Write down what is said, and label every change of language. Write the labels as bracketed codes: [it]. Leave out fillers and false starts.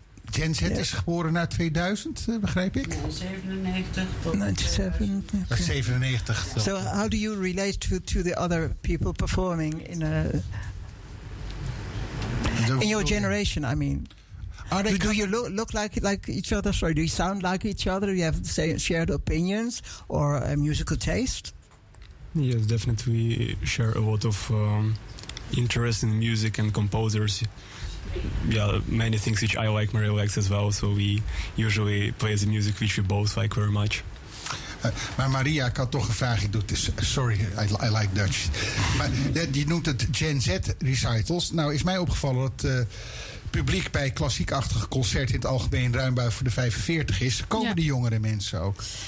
[nl] Gen Z is geboren na 2000, begrijp ik? 97. [en] So how do you relate to the other people performing in a... In your generation, I mean. Do you look like each other? Sorry, do you sound like each other? Do you have the same shared opinions or a musical taste? Yes, definitely. We share a lot of interest in music and composers. Yeah, many things which I like, Maria likes as well. So we usually play the music which we both like very much. [nl] Maar Maria, ik had toch een vraag. Ik doe het. [en] Sorry, I like Dutch. [nl] Maar je noemt het Gen Z recitals. Nou, is mij opgevallen dat publiek bij klassiekachtige concerten in het algemeen ruim buiten voor de 45 is. Komen de jongere mensen ook?